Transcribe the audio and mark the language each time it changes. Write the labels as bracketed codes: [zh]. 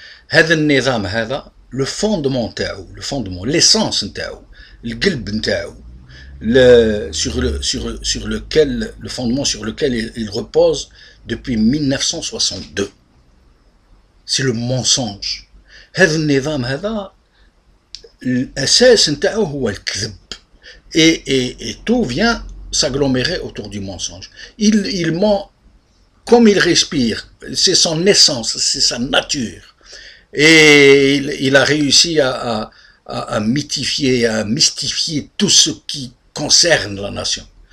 [ar] هذا النظام هذا, [fr] le fondement تاعو, le fondement, l'essence تاعو, le قلب تاعو, le sur lequel le fondement sur lequel il repose depuis 1962. C'est le mensonge. [ar] هذا النظام هذا, الأساس نتاعو هو الكذب. [fr] Et tout vient s'agglomérer autour du mensonge. Il ment comme il respire. C'est son essence, c'est sa nature. Et il a réussi à mythifier, à mystifier tout ce qui concerne la nation.